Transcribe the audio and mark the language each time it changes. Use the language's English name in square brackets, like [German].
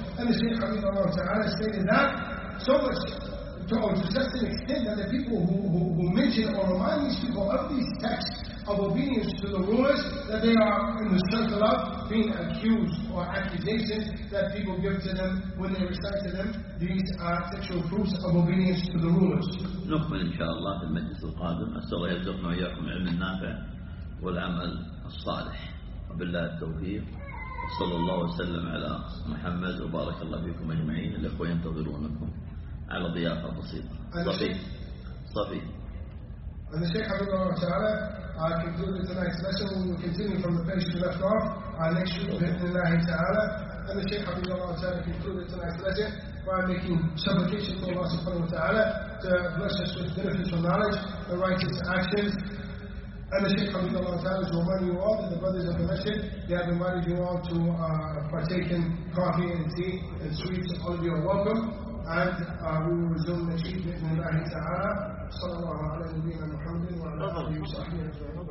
[English] And the Shaykh Habibullah Ta'ala stated that so much to such an extent that the people who mention or remind these people of these texts of obedience to the rulers, that they are in the circle of being accused or accusations that people give to them when they recite to them these sexual proofs of obedience to the rulers. [Arabic] نكمل إن شاء الله في المجلس القادم. أسأل الله يرزقنا وإياكم العلم النافع والعمل الصالح، وبالله التوفيق، وصلى الله وسلم على محمد، وبارك الله فيكم أجمعين. الأخوة ينتظرونكم على ضيافة بسيطة. صفي. [English] And the Shaykh Abid Allah Ta'ala concluded tonight's lesson. We will continue from the page we left off next week, bi'idhnillahi ta'ala. And the Shaykh Abid Allah Ta'ala concluded tonight's lesson by making supplication to Allah Subhanahu Wa Ta'ala to bless us with beneficial knowledge and righteous actions. And the Shaykh Abid Allah Ta'ala is reminding you all that the brothers of the masjid, they have invited you all to partake in coffee and tea and sweets. All of you are welcome. And we will resume next week, bi'idhnillahi ta'ala. [Arabic] صلى الله على نبينا محمد وعلى آله وصحبه أجمعين.